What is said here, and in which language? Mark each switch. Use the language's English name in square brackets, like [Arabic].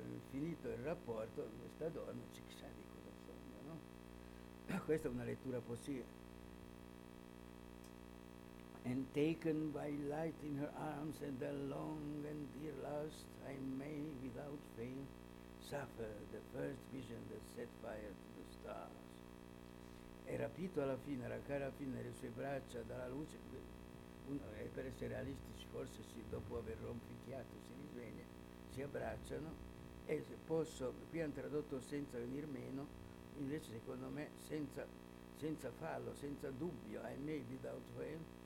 [Italian] Finito il rapporto, questa donna ci sa di cosa sogna, no? Questa è una lettura possibile. [English] And taken by light in her arms and the long and dear lust, I may without fail suffer the first vision that set fire to the stars. [Italian] E rapito alla fine, la cara fine nelle sue braccia dalla luce, uno, per essere realistici, forse si, dopo aver rompicchiato si risveglia, si abbracciano, e se posso, qui hanno tradotto senza venir meno, invece secondo me senza fallo, senza dubbio, [English] I may without fail.